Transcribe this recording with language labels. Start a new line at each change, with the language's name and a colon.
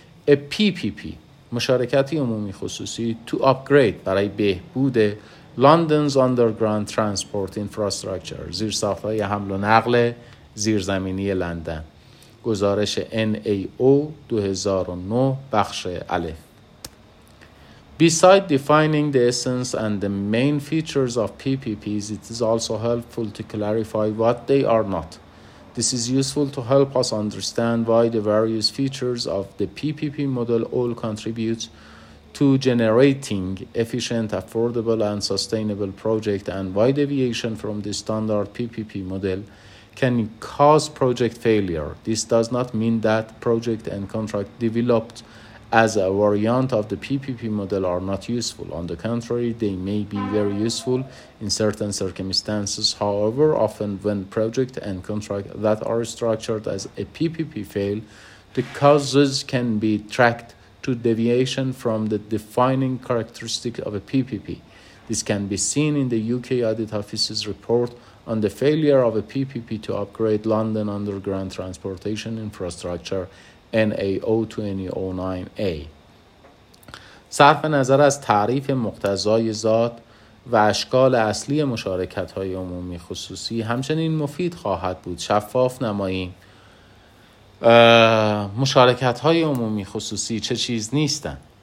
English: a PPP
Persian: مشارکتی عمومی خصوصی
English: to upgrade
Persian: برای بهبود
English: London's underground transport infrastructure
Persian: زیر ساختهای حمل و نقل زیرزمینی لندن گزارش NAO 2009 بخش الف.
English: Beside defining the essence and the main features of PPPs, it is also helpful to clarify what they are not. This is useful to help us understand why the various features of the PPP model all contribute to generating efficient, affordable, and sustainable project, and wide deviation from the standard PPP model can cause project failure. This does not mean that project and contract developed as a variant of the PPP model are not useful. On the contrary, they may be very useful in certain circumstances. However, often when project and contract that are structured as a PPP fail, the causes can be tracked to deviation from the defining characteristic of a PPP. This can be seen in the UK Audit Office's report on the failure of a PPP to upgrade London Underground Transportation Infrastructure, NAO 2009A.
Persian: صرف نظر از تعریف مقتضای ذات و اشکال اصلی مشارکت‌های عمومی خصوصی، همچنین مفید خواهد بود شفاف نماییم مشارکت‌های عمومی خصوصی چه چیز نیستند.